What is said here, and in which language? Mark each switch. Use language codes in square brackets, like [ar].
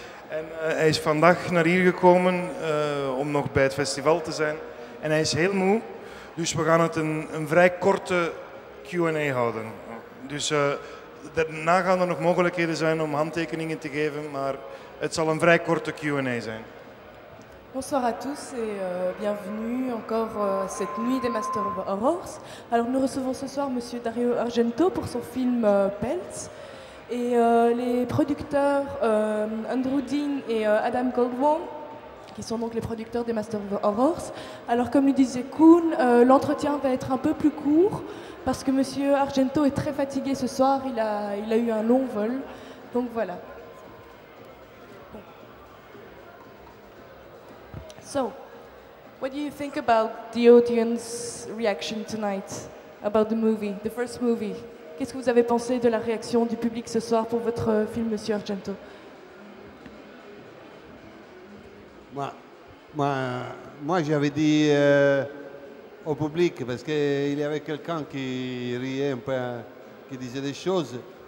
[nl] En hij is vandaag naar hier gekomen om nog bij het festival te zijn. En hij is heel moe, dus we gaan het een vrij korte Q&A houden. Dus daarna gaan er nog mogelijkheden zijn om handtekeningen te geven, maar het zal een vrij korte Q&A zijn. [fr] Bonsoir à tous et bienvenue encore cette nuit des Master of Horrors. Alors nous recevons ce soir Monsieur Dario Argento pour son film Pelts. Et les producteurs Andrew Dean et Adam Goldworm, qui sont donc les producteurs des Master of Horrors. Alors comme le disait Kuhn, l'entretien va être un peu plus court parce que Monsieur Argento est très fatigué ce soir, il a eu un long vol. Donc voilà. [en] So, what do you think about the audience reaction tonight about the movie, the first movie? [fr] Qu'est-ce que vous avez pensé de la réaction du public ce soir pour votre film, Monsieur Argento? Moi j'avais dit au public, parce qu'il y avait quelqu'un qui riait un peu, qui disait des choses.